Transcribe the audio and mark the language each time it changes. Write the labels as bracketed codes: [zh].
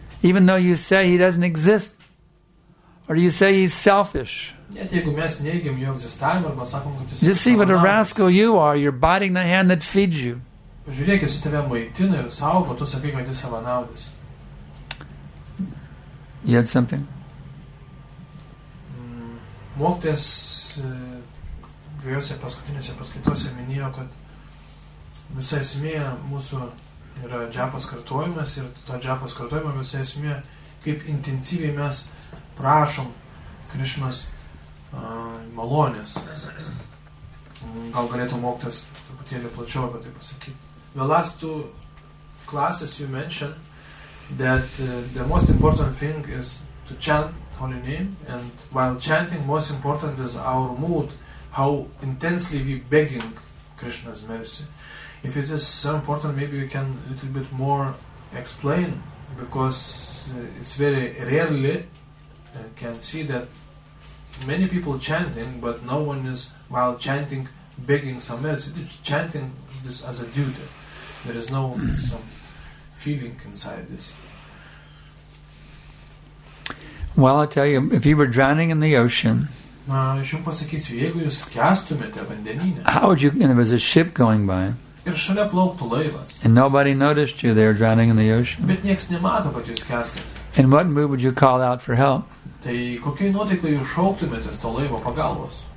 [en] Even though you say he doesn't exist, or you say he's selfish. [lt] Net jeigu mes neigiam jo egzistavimą arba sakom, kad jis. [en] Just see what a rascal you are. You're biting the hand that feeds you. [lt] Žiūrėk, jis tave maitina ir saugo, tu sakai, kad jis savanaudis. [en] You had something? [lt] Mokytojas dviejose paskutinėse paskaitose minėjo, kad visa esmė mūsų yra džiapos kartojimas ir to džiapos kartojimo visa esmė, kaip intensyviai mes prašom Krišnos malonės. Gal galėtų mokytojas truputėlį plačiau apie tai pasakyti. [en] The last two classes you mentioned that the most important thing is to chant holy name, and while chanting, most important is our mood, how intensely we begging Krishna's mercy. If it is so important, maybe you can a little bit more explain, because it's very rarely can see that many people chanting, but no one is while chanting begging some mercy. It's chanting this as a duty. There is no some feeling inside this. Well, I tell you, if you were drowning in the ocean, [lt] aš jums pasakysiu, jeigu jūs skęstumėte vandenyne, [en] how would you, and there was a ship going by, [lt] ir šalia plauktų laivas, [en] and nobody noticed you there drowning in the ocean, [lt] bet nieks nemato, kad jūs skęstate, [en] in what mood would you call out for help? [lt] Tai kokiu nuotaiku jūs šauktumėte to laivo pagalbos?